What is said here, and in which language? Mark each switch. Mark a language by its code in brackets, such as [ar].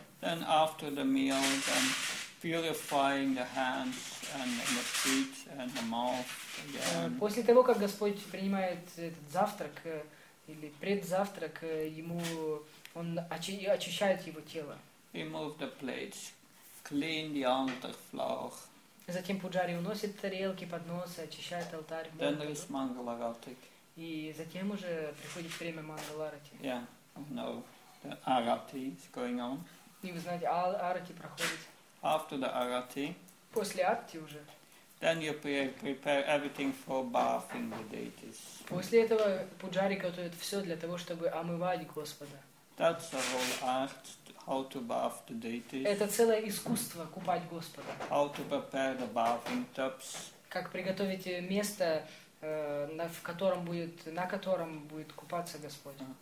[en] Then after the meal, then purifying the hands and the feet and the mouth again. [ru] После того, как Господь принимает этот завтрак или предзавтрак, он очищает его тело. [en] Remove the plates, clean the altar floor. [ru] Затем пуджари уносит тарелки, подносы, очищает алтарь. [en] Then there is Mangala Arati. [ru] И затем уже приходит время Mangala Arati. [en] Yeah, no, the Arati is going on. [ru] И вы знаете, Arati проходит. [en] After the Arati. [ru] После Arati уже. [en] Then you prepare everything for bathing the deities. [ru] После этого пуджари готовят все для того, чтобы омывать Господа. [en] That's the whole art. How to bath the deities. [ru] Это целое искусство купать Господа. [en] How to prepare the bathing tubs. [ru] Как приготовить место, на котором будет купаться Господь.